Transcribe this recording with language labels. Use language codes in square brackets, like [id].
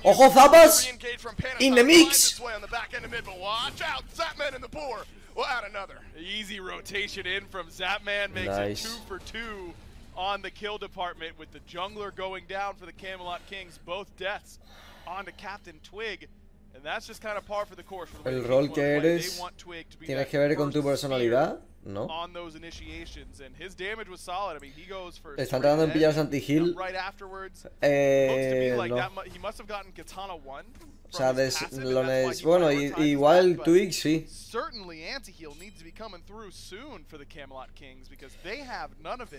[en] Ojo Zappas! In the mix! On the back end of mid, but watch out, Zapman in the boar. We'll add another. Easy rotation in from Zapman, makes it 2 for 2 on the kill department with the jungler going down for the Camelot Kings. Both deaths onto Captain Twig. And that's just kind of par for the course. [es] El rol que eres tienes que ver con tu personalidad, ¿no? [en] On those initiations, and his damage was solid. I mean, he goes for. [es] Están tratando de pillar los anti-heal. [en] Right afterwards. No. He must have gotten Katana one. [es] O sea, deslones. Bueno, igual Twig sí. [en] Certainly, anti-heal needs to be coming through soon for the Camelot Kings because they have none of it.